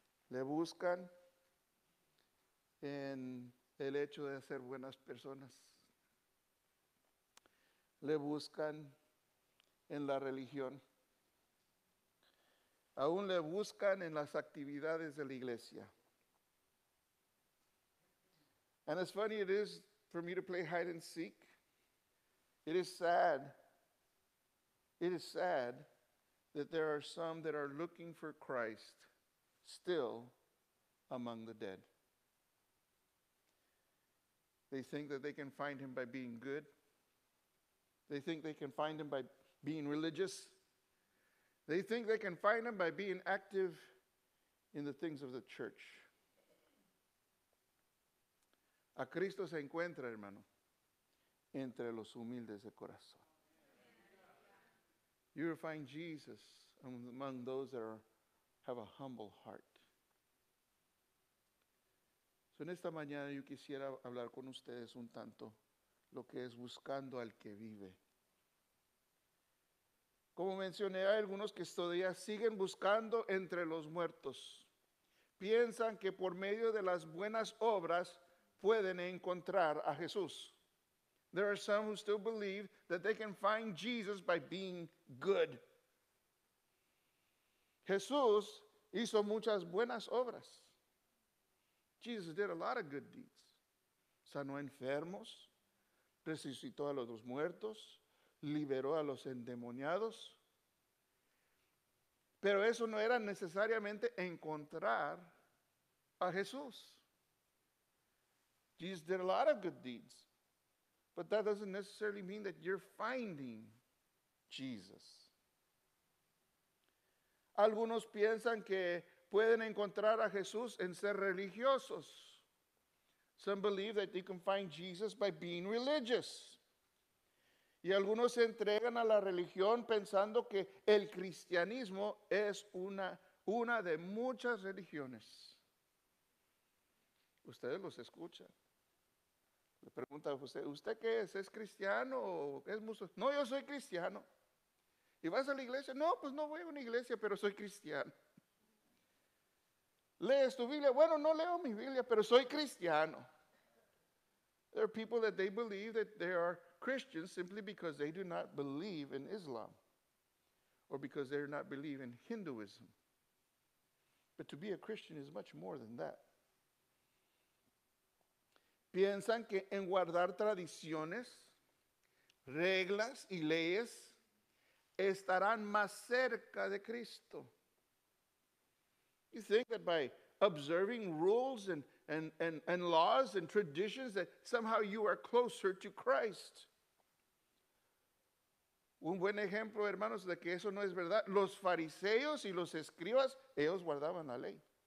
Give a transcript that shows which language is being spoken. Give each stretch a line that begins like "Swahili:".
Spanish: Le buscan en el hecho de ser buenas personas. Le buscan en la religión. Aún le buscan en las actividades de la iglesia.
English: And as funny it is for me to play hide and seek, it is sad. It is sad that there are some that are looking for Christ still among the dead. They think that they can find him by being good. They think they can find him by being religious. They think they can find him by being active in the things of the church.
Spanish: A Cristo se encuentra, hermano, entre los humildes de corazón.
English: You will find Jesus among those that have a humble heart.
Spanish: So, en esta mañana yo quisiera hablar con ustedes un tanto lo que es buscando al que vive. Como mencioné, hay algunos que todavía siguen buscando entre los muertos. Piensan que por medio de las buenas obras pueden encontrar a Jesús.
English: There are some who still believe that they can find Jesus by being good.
Spanish: Jesús hizo muchas buenas obras.
English: Jesus did a lot of good deeds.
Spanish: Sanó enfermos, resucitó a los muertos, liberó a los endemoniados. Pero eso no era necesariamente encontrar a Jesús.
English: Jesus did a lot of good deeds. But that doesn't necessarily mean that you're finding Jesus.
Spanish: Algunos piensan que pueden encontrar a Jesús en ser religiosos.
English: Some believe that they can find Jesus by being religious.
Spanish: Y algunos se entregan a la religión pensando que el cristianismo es una de muchas religiones. Ustedes los escuchan. Le pregunta a usted, ¿usted qué es? ¿Es cristiano o es musulmán? No, yo soy cristiano. ¿Y vas a la iglesia? No, pues no voy a una iglesia, pero soy cristiano. ¿Lees tu Biblia? Bueno, no leo mi Biblia, pero soy cristiano.
English: There are people that they believe that they are Christians simply because they do not believe in Islam or because they do not believe in Hinduism. But to be a Christian is much more than that.
Spanish: Piensan que en guardar tradiciones, reglas y leyes estarán más cerca de Cristo.
English: You think that by observing rules and laws and traditions that somehow you are closer to Christ.
Spanish: Un buen ejemplo, hermanos, de que eso no es verdad. Los fariseos y los escribas, ellos guardaban la ley.